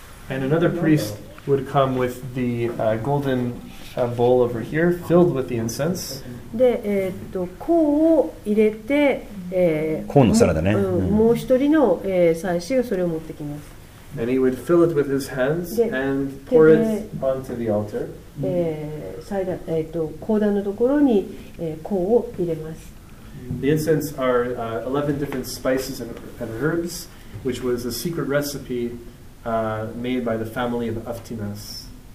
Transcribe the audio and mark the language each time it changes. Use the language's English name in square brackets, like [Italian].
[English] And another priest would come with the golden bowl over here, filled with the incense. [Japanese] で、香を入れて、香の皿だね。もう一人の、祭司がそれを持ってきます。 [English] And he would fill it with his hands and pour it onto the altar. [Japanese] 香壇のところに、香を入れます。 [English] The incense are 11 different spices and herbs, which was a secret recipe made by the family of Aftinas.